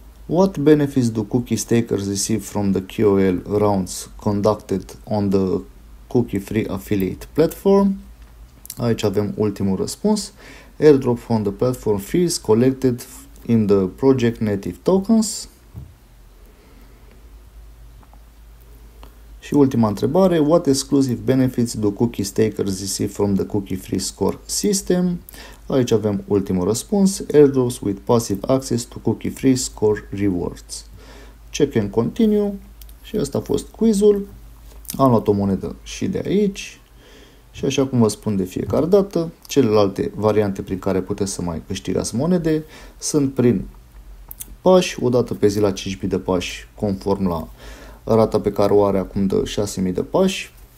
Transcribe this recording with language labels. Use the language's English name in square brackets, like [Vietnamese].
[English] What benefits do cookie stakers receive from the QOL rounds conducted on the cookie-free affiliate platform? [Romanian] Aici avem ultimul răspuns. [English] Airdrop from the platform fees collected in the project native tokens. [Romanian] Și ultima întrebare. [English] What exclusive benefits do cookie stakers receive from the cookie-free score system? [Romanian] Aici avem ultimul răspuns, [English] airdrops with passive access to cookie-free score rewards. Check and continue [Romanian] și ăsta a fost quizul. Am luat o monedă și de aici și așa cum vă spun de fiecare dată, celelalte variante prin care puteți să mai câștigați monede sunt prin pași, o dată pe zi la 5.000 de pași conform la rata pe care o are acum de 6.000 de pași.